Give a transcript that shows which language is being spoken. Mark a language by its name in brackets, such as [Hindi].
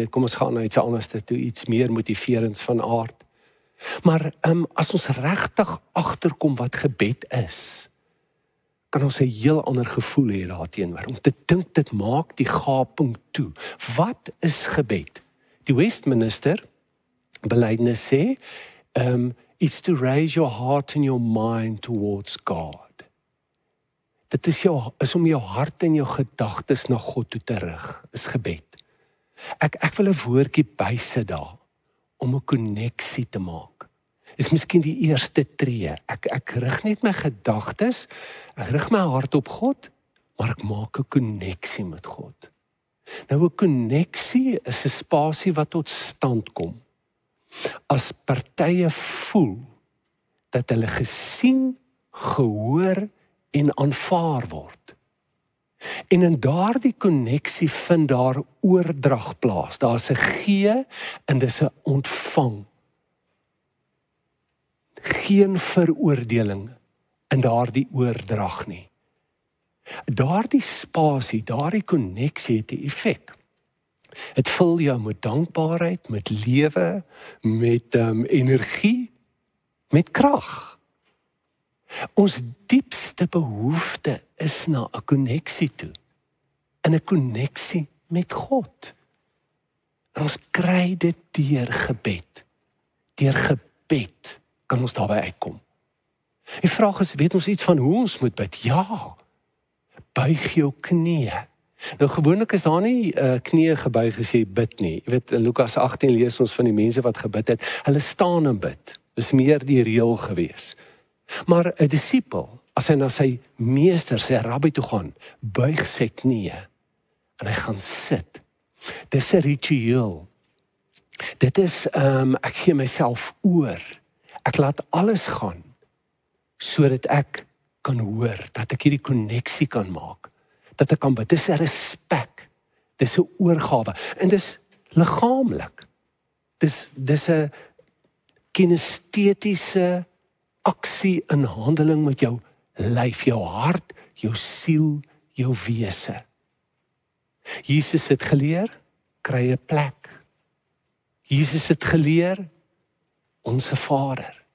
[Afrikaans] Kom ons gaan na iets anderster toe, iets meer motiverends van aard. Maar as ons regtig agterkom wat gebed is, kan ons 'n heel ander gevoel hê daarteenoor. Om te dink dit maak die gaping toe. Wat is gebed? Die Westminster belydenis sê, [English] it's to raise your heart and your mind towards God. [Afrikaans] Dit is om jou hart en jou gedagtes na God toe te rig, is gebed. Ek wil 'n woordjie bysit daar om 'n koneksie te maak. Is miskien die eerste tree. Ek rig net my gedagtes, ek rig my hart op God, maar ek maak 'n koneksie met God. Nou 'n koneksie is 'n spasie wat tot stand kom as partye voel dat hulle gesien, gehoor en aanvaar word. En in daardie koneksie vind daar oordrag plaas. Daar's 'n gee en dis 'n ontvang. Geen veroordeling in daardie oordrag nie. Daardie spasie, daardie koneksie het 'n effek. Dit vul jou met dankbaarheid, met lewe, met energie, met krag. Ons diepste behoefte is na 'n koneksie toe. In 'n koneksie met God. En ons kry dit deur gebed. Deur gebed kan ons daarby uitkom. Die vraag is, weet ons iets van hoe ons moet bid? Ja. Buig jou knieë. Nou gewoonlik is daar nie knieë gebuig as jy bid nie. Jy weet in Lukas 18 lees ons van die mense wat gebid het. Hulle staan en bid. Dis meer die reël gewees. Maar 'n disipel, as hy na sy meester, sy rabbi toe gaan, buig sy knieë en hy gaan sit. Dis 'n ritueel. Dit is ek gee myself oor. Ek laat alles gaan sodat ek kan hoor, dat ek hierdie koneksie kan maak. Dat ek kan bid. Dis 'n respek. Dis 'n oorgawe en dis liggaamlik. Dis 'n kinestetiese aksie in handeling met jou lyf, jou hart, jou siel, jou wese. Jesus het geleer, kry 'n plek. Jesus het geleer, onsse Vader.